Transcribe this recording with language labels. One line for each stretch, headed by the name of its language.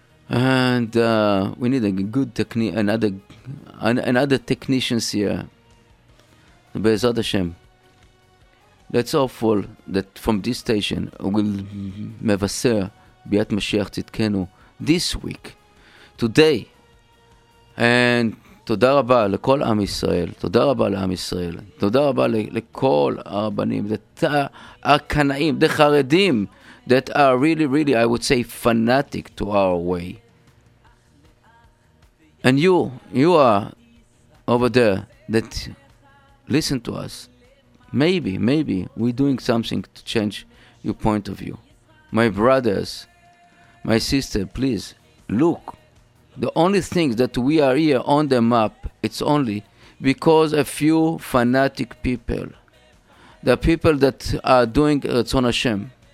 English: We need a good technique, another technicians here. Be'ezrat Hashem. Let's hopeful that from this station we'll
Hebrew: mevaser biat Mashiach tzidkenu
English: this week, today.
Hebrew: And תודה רבה לכל עם ישראל, תודה רבה לעם ישראל, תודה רבה לכל הרבנים, הקנאים, the חרדים,
English: that are really, really, I would say, fanatic to our way. And you are over there, that listen to us. Maybe, we're doing something to change your point of view. My brothers, my sister, please, look. The only thing that we are here on the map, it's only because a few fanatic people, the people that are doing Ratzon Hashem.